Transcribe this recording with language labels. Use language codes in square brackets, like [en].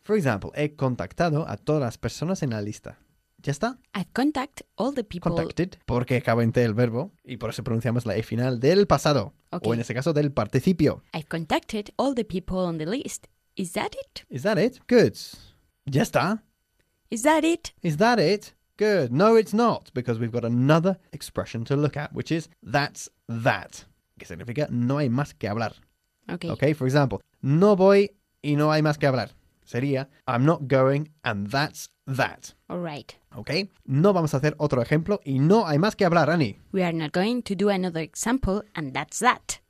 [en] For example, [es] he contactado a todas las personas en la lista. ¿Ya está? [en] I've contacted all the people. [es] Contacted, porque acabo en T el verbo, y por eso pronunciamos la E final del pasado. [en] Okay. [es] O en este caso, del participio. [en] I've contacted all the people on the list. Is that it? Is that it? Good. [es] ¿Ya está? [en] Is that it? Is that it? Good. No, it's not, because we've got another expression to look at, which is that's that. [es] Que significa no hay más que hablar. [en] Okay. Okay, for example, [es] no voy y no hay más que hablar. [en] Sería, I'm not going and that's that. All right. Okay. [es] No vamos a hacer otro ejemplo y no hay más que hablar, Annie. [en] We are not going to do another example and that's that.